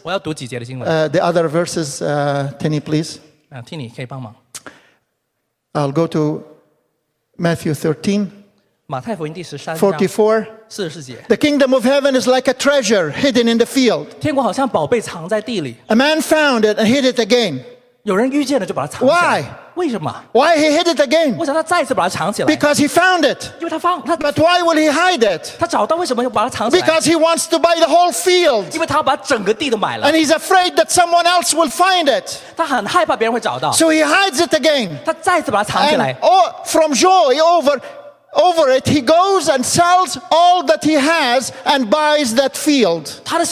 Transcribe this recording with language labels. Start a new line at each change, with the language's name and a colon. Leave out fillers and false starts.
English: The other verses, Tini, please.
Chinese: Tini, 可以帮忙?
English: I'll go to Matthew 13.
Chinese: 马太福音第十三章,
English: 44.
Chinese: 四十四节,
English: the kingdom of heaven is like a treasure hidden in the field.
Chinese: 天国好像宝贝藏在地里,
English: a man found it and hid it again.
Chinese: 有人遇见了就把它藏起来,
English: why?
Chinese: 为什么?
English: Why he hid it again? Because he found it.
Chinese: 因为他,
English: but why will he hide it?
Chinese: 他找到为什么要把它藏起来?
English: Because he wants to buy the whole field.
Chinese: 因为他把整个地都买了,
English: and he's afraid that someone else will find it.
Chinese: 他很害怕别人会找到,
English: so he hides it again.
Chinese: 他再次把它藏起来,
English: and oh, from joy over it, he goes and sells all that he has and buys that field.